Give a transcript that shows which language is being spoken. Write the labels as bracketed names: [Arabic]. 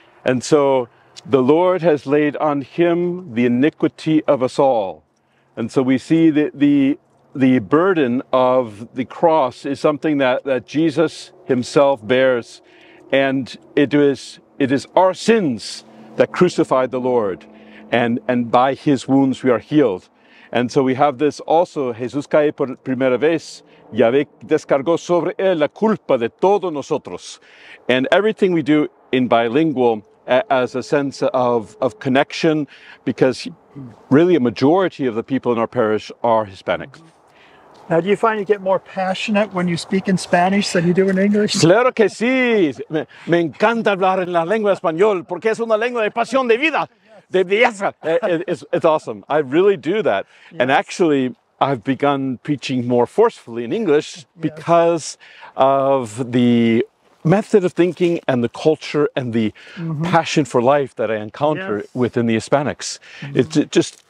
[English] And so the Lord has laid on him the iniquity of us all. And so we see that the burden of the cross is something that Jesus himself bears. And it is our sins that crucified the Lord. And by his wounds we are healed. And so we have this also, [Spanish] Jesús cae por primera vez, Yahvé descargó sobre él la culpa de todos nosotros. [English] And everything we do in bilingual as a sense of connection, because really a majority of the people in our parish are Hispanic. Now, do you find you get more passionate when you speak in Spanish than you do in English? [Spanish] Claro que sí. Me encanta hablar en la lengua español porque es una lengua de pasión de vida. De belleza. [English] It's awesome. I really do that. Yes. And actually, I've begun preaching more forcefully in English because of the method of thinking and the culture and the passion for life that I encounter within the Hispanics. Mm-hmm.